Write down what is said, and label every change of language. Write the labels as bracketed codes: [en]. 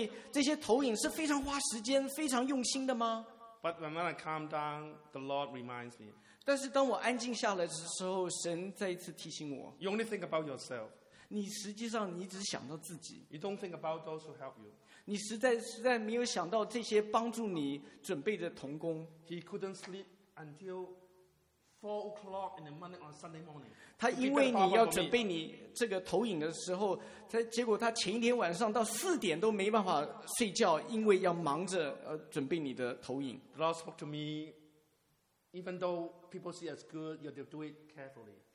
[zh] 大家，你难道不知道我每次要讲到的时候要准备这些投影是非常花时间、非常用心的吗？ [en] But when I calm down, the Lord reminds me. [zh] 但是当我安静下来的时候，神再一次提醒我。 [en] You only think about yourself. [zh] 你实际上只想到自己。 [en] You don't think about those who help you. [zh] 你实在没有想到这些帮助你准备的同工。 [en] He couldn't sleep until 4 o'clock in the morning on Sunday morning. [zh] 他因为你要准备你这个投影的时候，结果他前一天晚上到四点都没办法睡觉，因为要忙着准备你的投影。 [en] The Lord spoke to me, even though people see as good, you have to do it carefully.